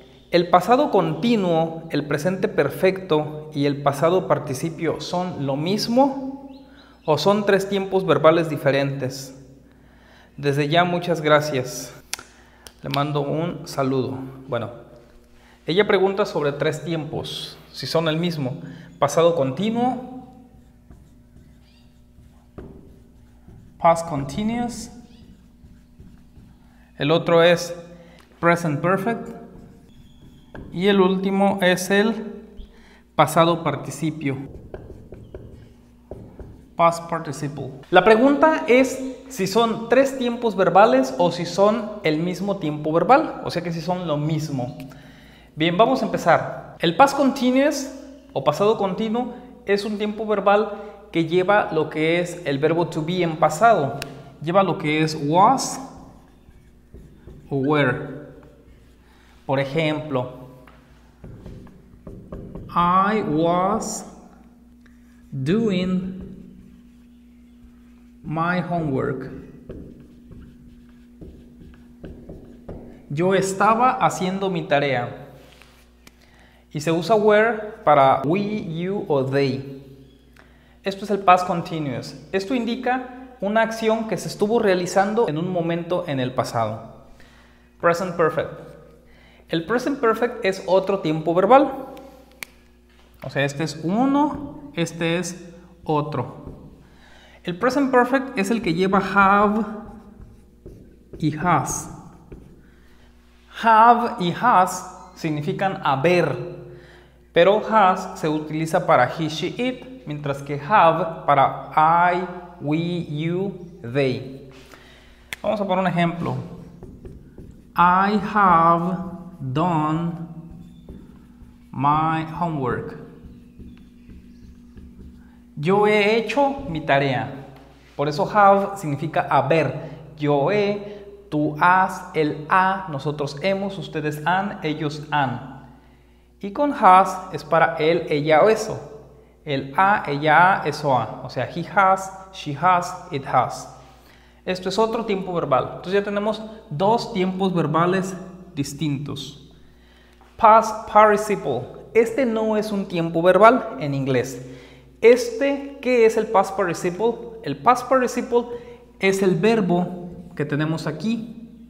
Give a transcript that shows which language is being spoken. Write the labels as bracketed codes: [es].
[es] ¿El pasado continuo, el presente perfecto y el pasado participio son lo mismo o son tres tiempos verbales diferentes? Desde ya, muchas gracias. Le mando un saludo. Bueno, ella pregunta sobre tres tiempos, si son el mismo. Pasado continuo, past continuous. El otro es present perfect. Y el último es el pasado participio, past participle. La pregunta es si son tres tiempos verbales o si son el mismo tiempo verbal. O sea que si son lo mismo. Bien, vamos a empezar. El past continuous o pasado continuo es un tiempo verbal que lleva lo que es el verbo to be en pasado. Lleva lo que es was o were. Por ejemplo, [en] I was doing my homework. [es] Yo estaba haciendo mi tarea. Y se usa were para we, you o they. Esto es el past continuous. Esto indica una acción que se estuvo realizando en un momento en el pasado. Present perfect. El present perfect es otro tiempo verbal. O sea, este es uno, este es otro. El present perfect es el que lleva have y has. Have y has significan haber, pero has se utiliza para he, she, it, mientras que have para I, we, you, they. Vamos a poner un ejemplo. [en] I have done my homework. [es] Yo he hecho mi tarea. Por eso have significa haber. Yo he, tú has, él ha, nosotros hemos, ustedes han, ellos han. Y con has es para él, ella o eso. El ha, ella ha, eso ha. O sea, [en] he has, she has, it has. [es] Esto es otro tiempo verbal. Entonces ya tenemos dos tiempos verbales distintos. Past participle. Este no es un tiempo verbal en inglés. Este, ¿qué es el past participle? El past participle es el verbo que tenemos aquí.